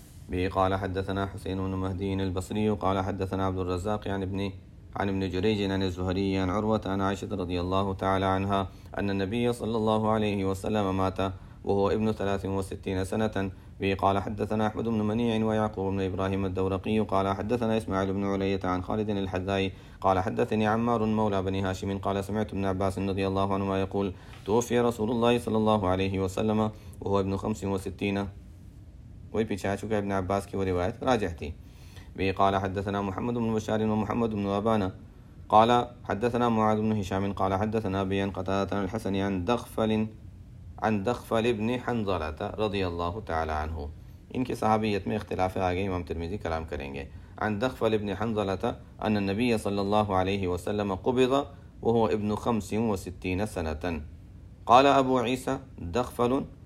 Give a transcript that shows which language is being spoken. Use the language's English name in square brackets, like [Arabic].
[Arabic] بھی قال حدثنا حسین بن مہدی البصری قال حدثنا عبد الرزاق عن ابن جریج عن الزہری عن عروۃ عن عائشۃ رضی اللہ تعالی عنہا ان النبی صلی اللہ علیہ وسلم مات وهو ابن 63 سنة. بي قال حدثنا أحمد بن منيع ويعقوب بن إبراهيم الدورقي قال حدثنا إسماعيل بن علية عن خالد الحذائي قال حدثني عمار مولى بن هاشم قال سمعت ابن عباس رضي الله عنهما يقول توفي رسول الله صلى الله عليه وسلم وهو ابن 65. [Urdu] وي پیچھے آ چکا ابن عباس کی وہ روایت راجح تھی۔ [Arabic] بي قال حدثنا محمد بن بشار ومحمد بن أبانا قال حدثنا معاذ بن هشام قال حدثنا أبي عن قتادة الحسن عن دخفل ابن حنظلة رضی اللہ تعالی عنہ، [Urdu] ان کی صحابیت میں اختلاف آگئے، امام ترمذی کلام کریں گے۔ [Arabic] عن دخفل ابن حنظلة ان النبی صلی اللہ علیہ وسلم قبض وهو ابن 65 سنة، قال ابو عیسی دخفل